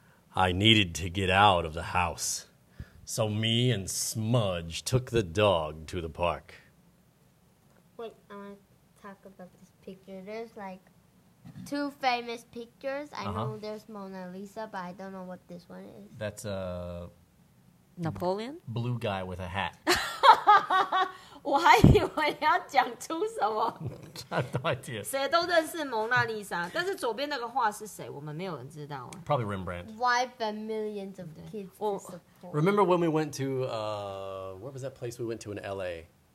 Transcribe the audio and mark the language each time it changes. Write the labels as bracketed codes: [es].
[en] I needed to get out of the house. So me and Smudge took the dog to the park. Wait, I want to talk about this picture. There's like... Two famous pictures. I know there's Mona Lisa, but I don't know what this one is. That's a... Napoleon? Blue guy with a hat. [zh] 我还以为你要讲出什么。 [en] I have no idea. [zh] 谁都认识蒙娜丽莎，但是左边那个画是谁，我们没有人知道。 [en] Probably Rembrandt. Why for millions of kids to support? Remember when we went to... where was that place we went to in L.A.?